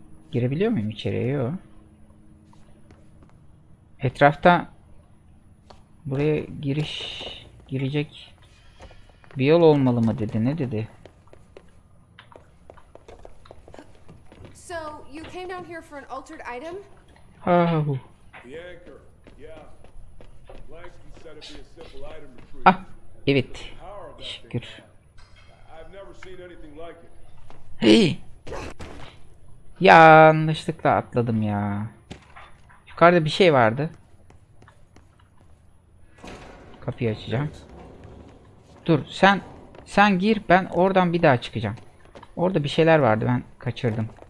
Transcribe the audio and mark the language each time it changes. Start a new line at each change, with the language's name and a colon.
Turkish: Girebiliyor muyum içeriye? Yok. Etrafta buraya girecek bir yol olmalı mı dedi. Ne dedi?
English: So, you came down here for an altered item? Ha. The anchor. Yeah. Langston said it'd be a simple item retrieval.
Turkish: Ah, evet. Şükür.
English: I've never seen anything like it. Hey.
Turkish: Yanlışlıkla atladım ya. Yukarıda bir şey vardı. Kapıyı açacağım. Dur sen gir, ben oradan bir daha çıkacağım. Orada bir şeyler vardı, ben kaçırdım.